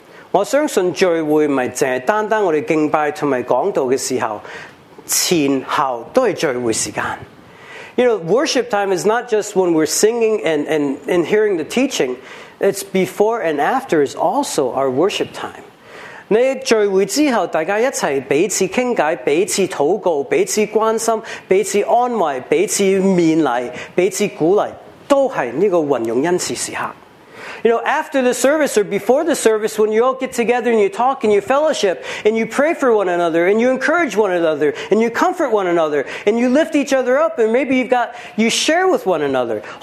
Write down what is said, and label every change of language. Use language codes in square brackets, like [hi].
[yue] 我相信聚会唔系净系单单我哋敬拜同埋讲道嘅时候，前后都系聚会时间。 [en] You know, worship time is not just when we're singing and hearing the teaching. It's before and after is also our worship time. [yue] 你聚会之后，大家一齐彼此倾偈，彼此祷告，彼此关心，彼此安慰，彼此勉励，彼此鼓励，都系呢个运用恩赐时刻。 [en] You know, after the service or before the service, when you all get together and you talk and you fellowship and you pray for one another and you encourage one another and you comfort one another and you lift each other up and maybe you share with one another.